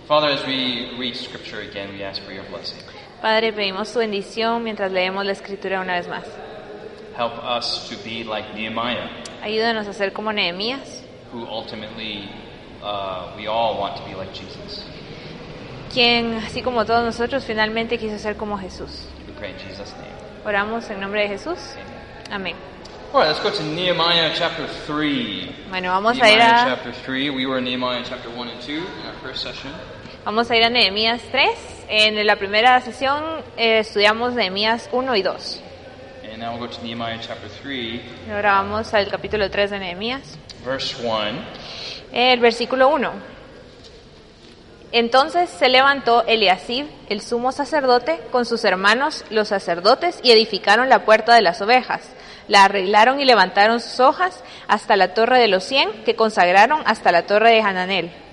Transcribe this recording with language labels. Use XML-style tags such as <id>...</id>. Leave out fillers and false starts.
<en>Father, as we read scripture again, we ask for your blessing.</en> <es>Padre, pedimos tu bendición mientras leemos la escritura una vez más.</es> <en>Help us to be like Nehemiah.</en> <es>Ayúdanos a ser como Nehemías.</es> <en>Who ultimately we all want to be like Jesus.</en> <es>Quien, así como todos nosotros, finalmente quiso ser como Jesús.</es> <en>We pray in Jesus' name.</en> <es>Oramos en nombre de Jesús. Amén.</es> <en>All right, let's go to Nehemiah chapter 3.</en> <es>Bueno, vamos</es> <en>Nehemiah</en> <es>a ir a...</es> <en>Nehemiah chapter 3. We were in Nehemiah chapter 1 and 2 in our first session.</en> <es>Vamos a ir a Nehemías 3. En la primera sesión estudiamos Nehemías 1 y 2.</es> <en>And now we'll go to Nehemiah chapter 3.</en> <es>Ahora vamos al capítulo 3 de Nehemías.</es> <en>Verse 1.</en> <es>El versículo 1. Entonces se levantó Eliasib, el sumo sacerdote, con sus hermanos, los sacerdotes, y edificaron la puerta de las ovejas. La arreglaron y levantaron sus hojas hasta la torre de los 100, que consagraron hasta la torre de Hananel.</es>